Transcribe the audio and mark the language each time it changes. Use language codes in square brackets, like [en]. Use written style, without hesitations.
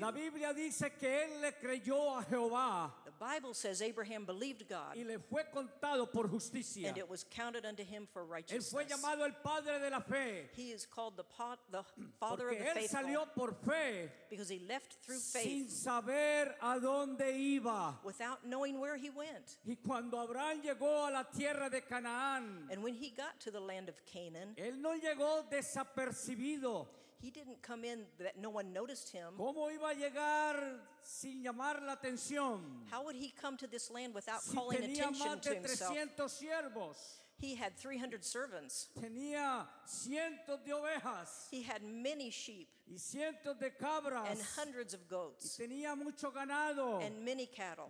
[es] La Biblia dice que él le creyó a Jehová. [en] The Bible says Abraham believed God. [es] Y le fue contado por justicia. [en] And it was counted unto him for righteousness. [es] Él fue llamado el padre de la fe. [en] He is called the father [es] Porque [en] of the faithful. [es] Porque él salió por fe. [en] Because he left through faith. [es] Sin saber a dónde iba. [en] Without knowing where he went. [es] Y cuando Abraham llegó a la tierra de Canaán. [en] And when he got to the land of Canaan. [es] Él no llegó desapercibido. [en] He didn't come in that no one noticed him. [es] ¿Cómo iba a llegar sin llamar la atención? [en] How would he come to this land without [es] si [en] calling attention to himself? [es] Tenía más de 300 siervos. [en] He had 300 servants. [es] Tenía cientos de ovejas. [en] He had many sheep. [es] Y cientos de cabras. [en] And hundreds of goats. [es] Y tenía mucho ganado. [en] And many cattle.